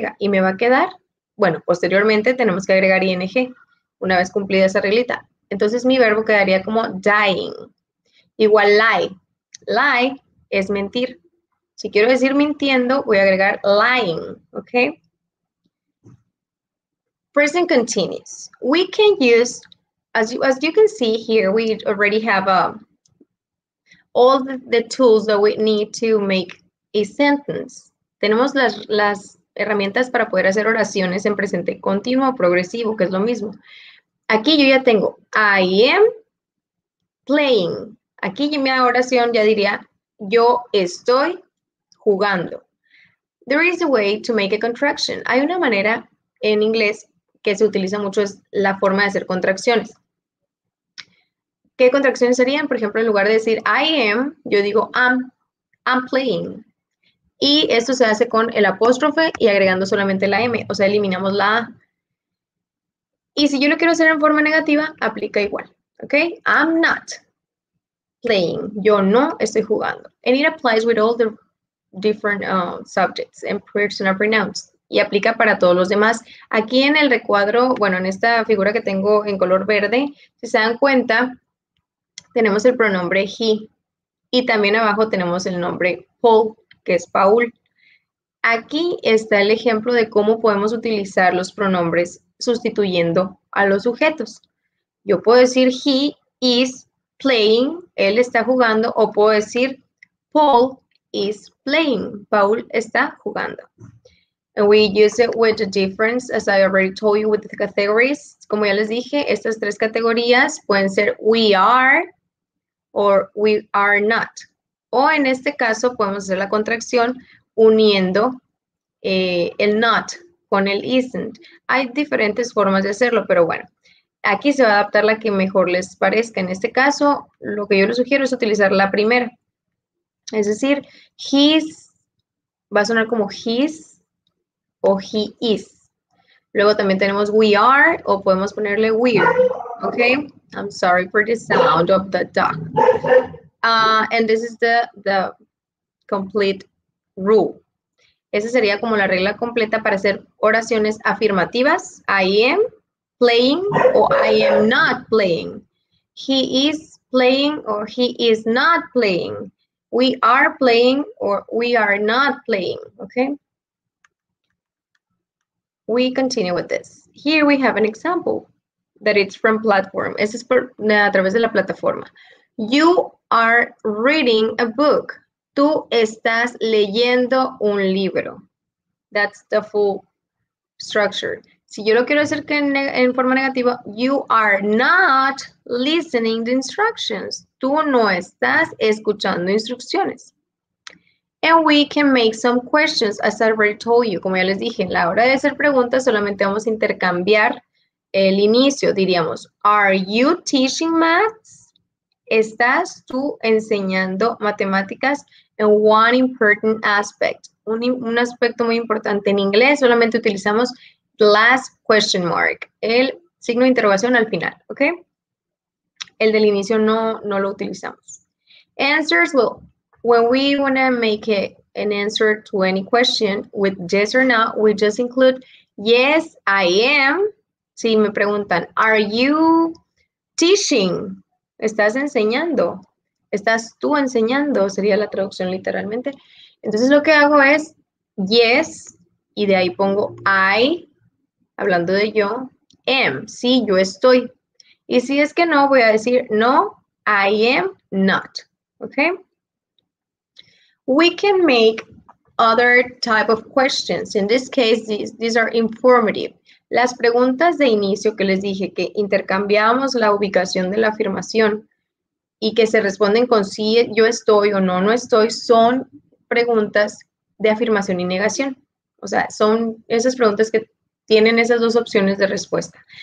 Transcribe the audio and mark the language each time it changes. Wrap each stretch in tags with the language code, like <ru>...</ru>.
<es>Y me va a quedar, bueno, posteriormente tenemos que agregar ING. Una vez cumplida esa reglita, entonces mi verbo quedaría como dying. Igual lie. Lie es mentir. Si quiero decir mintiendo, voy a agregar lying, ¿ok?</es> <en>Present continuous. We can use, as you can see here, we already have all the tools that we need to make a sentence.</en> <es>Tenemos las herramientas para poder hacer oraciones en presente continuo o progresivo, que es lo mismo. Aquí yo ya tengo,</es> <en>I am playing.</en> <es>Aquí mi oración ya diría, yo estoy jugando.</es> <en>There is a way to make a contraction.</en> <es>Hay una manera en inglés que se utiliza mucho, es la forma de hacer contracciones. ¿Qué contracciones serían? Por ejemplo, en lugar de decir I am, yo digo</es> <en>I'm playing.</en> <es>Y esto se hace con el apóstrofe y agregando solamente la M, o sea, eliminamos la A. Y si yo lo quiero hacer en forma negativa, aplica igual, ¿ok?</es> <en>I'm not playing.</en> <es>Yo no estoy jugando.</es> <en>And it applies with all the different subjects and personal pronouns.</en> <es>Y aplica para todos los demás. Aquí en el recuadro, bueno, en esta figura que tengo en color verde, si se dan cuenta, tenemos el pronombre he. Y también abajo tenemos el nombre Paul, que es Paul. Aquí está el ejemplo de cómo podemos utilizar los pronombres sustituyendo a los sujetos. Yo puedo decir</es> <en>he is playing,</en> <es>él está jugando, o puedo decir</es> <en>Paul is playing,</en> <es>Paul está jugando.</es> <en>And we use it with the difference, as I already told you, with the categories.</en> <es>Como ya les dije, estas tres categorías pueden ser</es> <en>we are or we are not.</en> <es>O en este caso podemos hacer la contracción uniendo el not con el isn't. Hay diferentes formas de hacerlo, pero bueno, aquí se va a adaptar la que mejor les parezca. En este caso, lo que yo les sugiero es utilizar la primera. Es decir, his, va a sonar como his o he is. Luego también tenemos we are o podemos ponerle we're.</es> <en>Okay, I'm sorry for the sound of the dog. And this is the complete rule.</en> <es>Esa sería como la regla completa para hacer oraciones afirmativas.</es> <en>I am playing o I am not playing. He is playing or he is not playing. We are playing or we are not playing, okay? We continue with this. Here we have an example that it's from platform.</en> <es>Este es a través de la plataforma.</es> <en>You are reading a book.</en> <es>Tú estás leyendo un libro.</es> <en>That's the full structure.</en> <es>Si yo lo quiero hacer que en forma negativa,</es> <en>you are not listening to instructions.</en> <es>Tú no estás escuchando instrucciones.</es> <en>And we can make some questions, as I already told you.</en> <es>Como ya les dije, en la hora de hacer preguntas, solamente vamos a intercambiar el inicio.</es> <en>Diríamos, are you teaching maths?</en> <es>¿Estás tú enseñando matemáticas?</es> <en>And one important aspect,</en> <es>un aspecto muy importante en inglés, solamente utilizamos</es> <en>last question mark,</en> <es>el signo de interrogación al final, ¿ok? El del inicio no lo utilizamos.</es> <en>Answers, well, when we want to make an answer to any question with yes or not, we just include, yes, I am.</en> <es>Si me preguntan,</es> <en>are you teaching?</en> <es>¿Estás enseñando? ¿Estás tú enseñando? Sería la traducción literalmente. Entonces lo que hago es, yes, y de ahí pongo I, hablando de yo, am. Sí, yo estoy. Y si es que no, voy a decir,</es> <en>no, I am not. Okay. We can make other type of questions. In this case, these are informative.</en> <es>Las preguntas de inicio que les dije, que intercambiamos la ubicación de la afirmación y que se responden con sí, yo estoy o no, no estoy, son preguntas de afirmación y negación. O sea, son esas preguntas que tienen esas dos opciones de respuesta.</es>